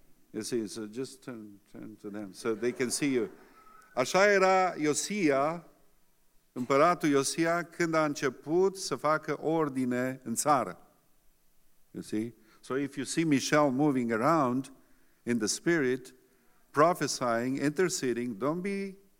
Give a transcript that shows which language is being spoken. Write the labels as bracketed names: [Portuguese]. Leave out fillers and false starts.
[English] You see, so just turn to them, so they can see you. [Romanian] Așa era Iosia, împăratul Iosia, când a început să facă ordine în țară. [English] You see? So if you see Michelle moving around in the spirit, prophesying, interceding, don't be...